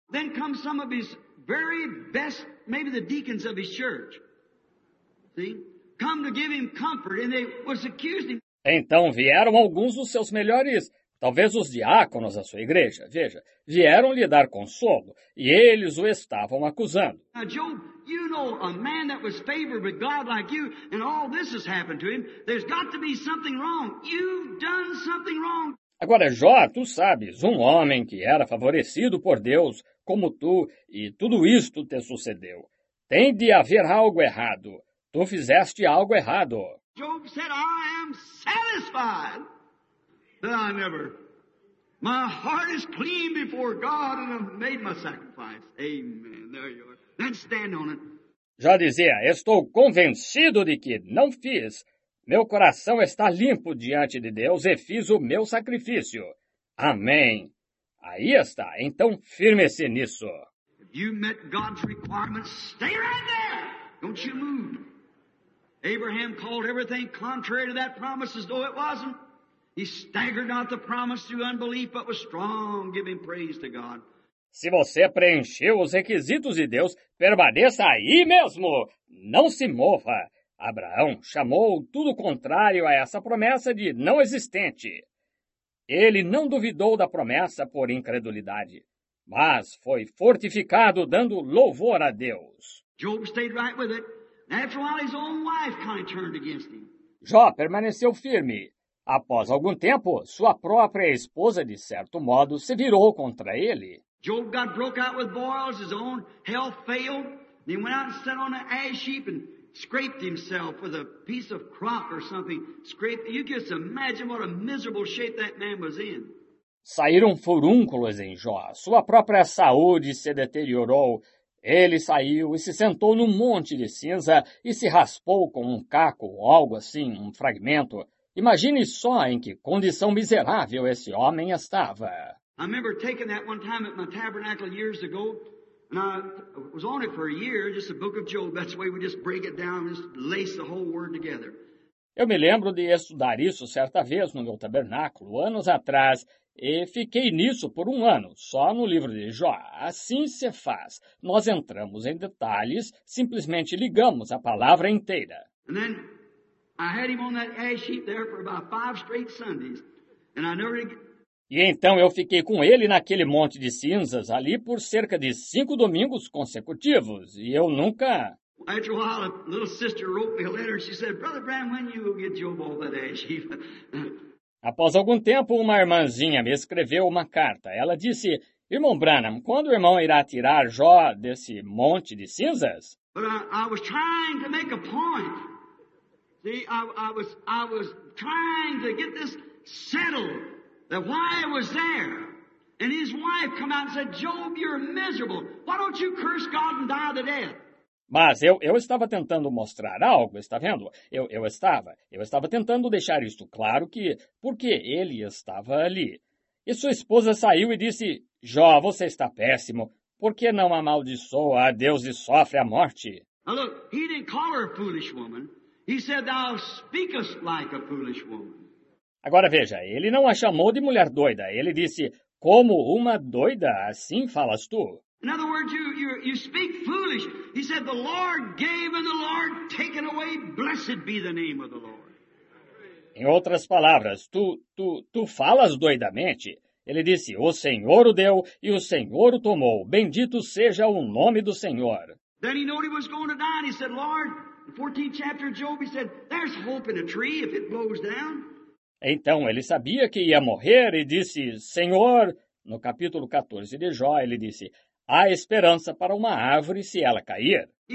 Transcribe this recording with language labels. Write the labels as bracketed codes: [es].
[en] Then come some of his very best, maybe the deacons of his church. Come to give him comfort, and they was accused him. [pt] Então vieram alguns dos seus melhores, talvez os diáconos da sua igreja, veja, vieram lhe dar consolo, e eles o estavam acusando. [en] Now, Job, you know a man that was favored with God like you, and all this has happened to him, there's got to be something wrong. You've done something wrong. [pt] Agora, Jó, tu sabes, um homem que era favorecido por Deus, como tu, e tudo isto te sucedeu. Tem de haver algo errado. Tu fizeste algo errado. [en] Job said, I am satisfied, but I never. My heart is clean before God and I've made my sacrifice. Amen. There you are. Then stand on it. [pt] Jó dizia, estou convencido de que não fiz. Meu coração está limpo diante de Deus e fiz o meu sacrifício. Amém. Aí está. Então firme-se nisso. [en] If you met God's requirements, stay right there. Don't you move. Abraham called everything contrary to that promise as though it wasn't. He staggered not the promise through unbelief, but was strong, giving praise to God. [pt] Se você preencheu os requisitos de Deus, permaneça aí mesmo. Não se mova. Abraão chamou tudo contrário a essa promessa de não existente. Ele não duvidou da promessa por incredulidade, mas foi fortificado dando louvor a Deus. [en] Job stayed right with it. After a while, his own wife kind of turned against him. [pt] Jó permaneceu firme. Após algum tempo, sua própria esposa, de certo modo, se virou contra ele. [en] Job got broke out with boils, his own health failed. And he went out and sat on an ash heap and scraped himself with a piece of crock or something. Scraped. You can just imagine what a miserable shape that man was in. [pt] Saíram furúnculos em Jó. Sua própria saúde se deteriorou. Ele saiu e se sentou num monte de cinza e se raspou com um caco ou algo assim, um fragmento. Imagine só em que condição miserável esse homem estava. [en] I remember taking that one time at my tabernacle years ago, and I was on it for a year, just a book of Job. That's the way we just break it down and just lace the whole word together. [pt] Eu me lembro de estudar isso certa vez no meu tabernáculo, anos atrás, e fiquei nisso por um ano, só no livro de Jó. Assim se faz. Nós entramos em detalhes, simplesmente ligamos a palavra inteira. [en] And then I had him on that ash heap there for about five straight Sundays, and I never... [pt] E então eu fiquei com ele naquele monte de cinzas ali por cerca de cinco domingos consecutivos, e eu nunca... [en] After a while, a little sister wrote me a letter, and she said, Brother Bram, when you will get Job all that ash heap? [pt] Após algum tempo, uma irmãzinha me escreveu uma carta. Ela disse, Irmão Branham, quando o irmão irá tirar Jó desse monte de cinzas? [en] I was trying to make a point. See, I was trying to get this settled, that why I was there. And his wife came out and said, Job, you're miserable. Why don't you curse God and die to death? [pt] Mas eu estava tentando mostrar algo, está vendo? Eu estava tentando deixar isto claro que... Porque ele estava ali. E sua esposa saiu e disse, Jó, você está péssimo. Por que não amaldiçoa a Deus e sofre a morte? [en] Now look, he didn't call her a foolish woman. He said, thou speakest like a foolish woman. [pt] Agora veja, ele não a chamou de mulher doida. Ele disse, como uma doida, assim falas tu. [en] In other words, you speak foolish. He said, the Lord gave and the Lord taken away. Blessed be the name of the Lord. [pt] Em outras palavras, tu falas doidamente. Ele disse, o Senhor o deu e o Senhor o tomou. Bendito seja o nome do Senhor. [en] Then he knew he was going to die and he said, Lord, the 14th chapter of Job, he said, there's hope in a tree if it blows down. [pt] Então ele sabia que ia morrer e disse, Senhor, no capítulo 14 de Jó, ele disse, há esperança para uma árvore se ela cair.